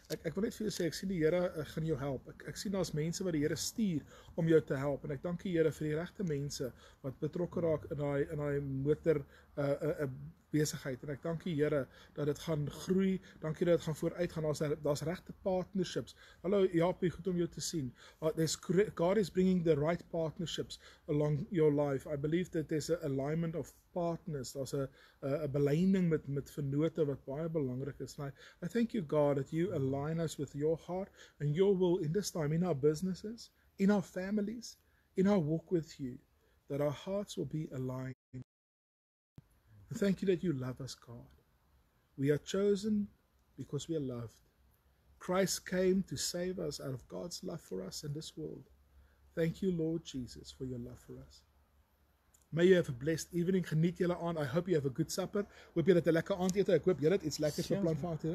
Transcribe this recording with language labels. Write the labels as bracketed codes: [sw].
[af] Ek wil net vir jou sê, ek sien die Here gaan jou help. Ek sien daar's mense wat die Here stuur om jou te help, en ek dank die Here vir die regte mense wat betrokke raak in daai motor, besigheid, en ek dank die Here dat het gaan groei, dank die dat het gaan vooruit gaan, daar is rechte partnerships. Hallo Jaapie, goed om jou te sien. [en] God is bringing the right partnerships along your life. I believe that there's an alignment of partners, [af] daar is een beleiding met vennote wat baie belangrijk is. [en] I thank you God that you align us with your heart and your will in this time, in our businesses, in our families, in our walk with you, that our hearts will be aligned. Thank you that you love us, God. We are chosen because we are loved. Christ came to save us out of God's love for us in this world. Thank you, Lord Jesus, for your love for us. May you have a blessed evening. [af] Geniet julle aan. [en] I hope you have a good supper. [af] Hoop julle het 'n lekker aand ete. Ek hoop julle het iets lekkers beplan vir aand ete.